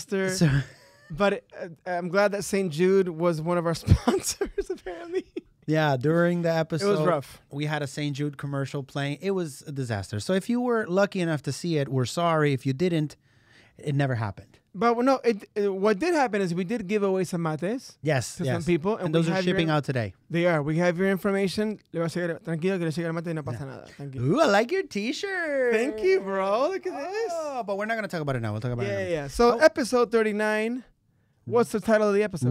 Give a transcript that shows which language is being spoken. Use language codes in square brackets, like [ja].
[en] So, but I'm glad that St. Jude was one of our sponsors, apparently. Yeah, during the episode, it was rough. We had a St. Jude commercial playing. It was a disaster. So if you were lucky enough to see it, we're sorry. If you didn't, it never happened. But no, what did happen is we did give away some mates. Yes, to yes. Some people. And those are shipping out today. They are. We have your information. [es] Le va a llegar, tranquilo, que le llegue el mate y no pasa nada. [en] Ooh, I like your t-shirt. Thank you, bro. Look at this. But we're not going to talk about it now. We'll talk about it now. Yeah, yeah. So episode 39, what's the title of the episode?